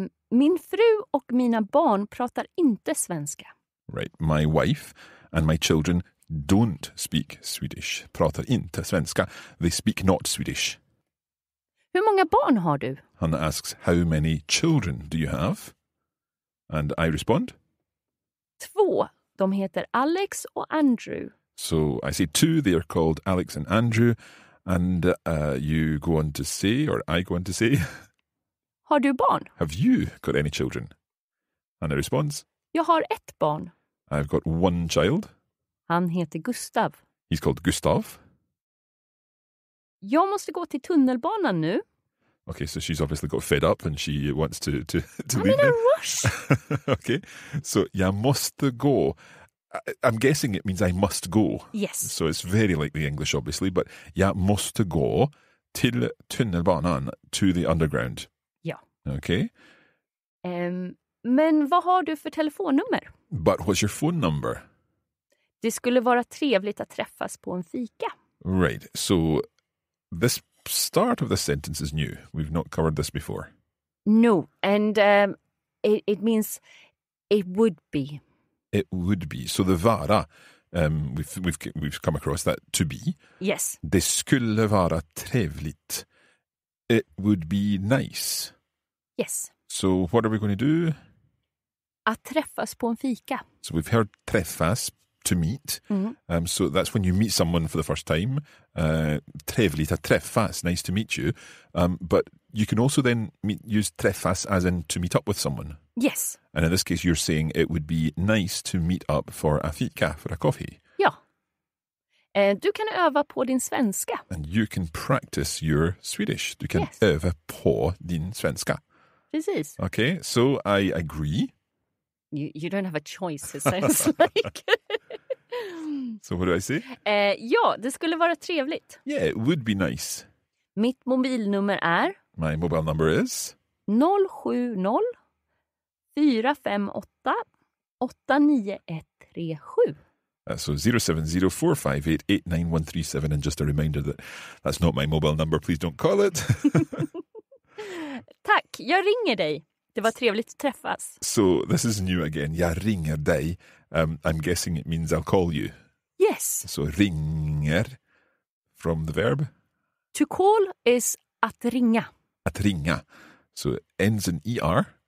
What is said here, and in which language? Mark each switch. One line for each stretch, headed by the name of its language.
Swedish: Min fru och mina barn pratar inte svenska.
English: Right. My wife and my children don't speak Swedish.
Swedish: Pratar inte svenska.
English: They speak not Swedish.
Swedish: Hur många barn har du?
English: Hanna asks, how many children do you have? And I respond.
Swedish: Två. De heter Alex och Andrew.
English: So I say two. They are called Alex and Andrew. And you go on to say, or I go on to say.
Swedish: Har du barn?
English: Have you got any children? Hanna responds.
Swedish: Jag har ett barn.
English: I've got one child.
Swedish: Han heter Gustav.
English: He's called Gustav.
Swedish: Jag måste gå till tunnelbanan nu.
English: Okay, so she's obviously got fed up and she wants to leave. I'm in a rush. Okay, so
Swedish: jag måste gå.
English: I'm guessing it means I must go. Yes. So it's very like the English, obviously, but
Swedish: jag måste gå till tunnelbanan,
English: to the underground. Yeah. Okay.
Swedish: Men vad har du för telefonnummer?
English: But what's your phone number?
Swedish: Det skulle vara trevligt att träffas på en fika.
English: Right. So this start of the sentence is new. We've not covered this before. No. And it means it would be. It would be. So the vara, we've come across that to be. Yes.
Swedish: Det skulle vara trevligt.
English: It would be nice. Yes. So what are we going to do?
Swedish: Att träffas på en fika.
English: So we've heard träffas, to meet. Mm-hmm. So that's when you meet someone for the first time.
Swedish: Trevligt, att träffas,
English: nice to meet you. But you can also then use träffas as in to meet up with someone. Yes. And in this case, you're saying it would be nice to meet up for a fika, for a coffee.
Swedish: Ja. Du kan öva på din svenska.
English: And you can practice your Swedish.
Swedish: Du kan öva på din svenska. Precis.
English: Okay, so I agree. You don't have a choice, it sounds like. So what do I say?
Swedish: Ja, det skulle vara trevligt.
English: Yeah, it would be nice. Mitt mobilnummer är... My mobile number is... 070-458-89137. So 070-458-89137. And just a reminder that that's not my mobile number. Please don't call it.
Swedish: Tack, jag ringer dig. Det var trevligt att träffas.
English: So this is new again.
Swedish: Jag ringer dig.
English: I'm guessing it means I'll call you. Yes. So ringer from the verb. To call is
Swedish: att ringa. Att ringa.
English: So it ends in er.